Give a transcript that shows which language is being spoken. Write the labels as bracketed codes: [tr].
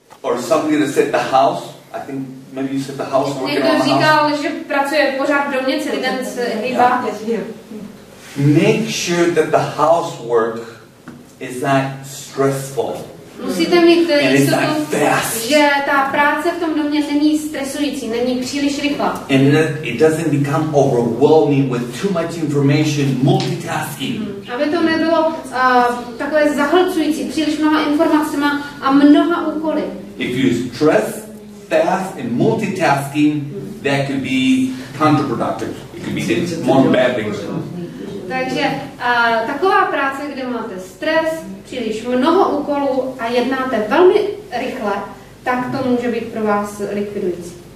[en] or somebody that said the house. I think maybe you said the house. [cs] Někdo říkal, [en] house. [cs] Že pracuje pořád v domě, celý den se hýbá. [en] Make sure that the housework is not stressful. [cs] Musíte mít jistotu, že ta práce v tom domě není stresující, není příliš rychlá. [en] And it doesn't become overwhelming with too much information, multitasking. [cs] Aby to nebylo takové zahlcující, příliš mnoha informacemi a mnoha úkoly. [en] If you stress, fast and multitasking, that could be counterproductive. It could be more bad things. [cs] Takže taková práce, kde máte stres, příliš mnoho úkolů a jednáte velmi rychle, tak to může být pro vás likvidující.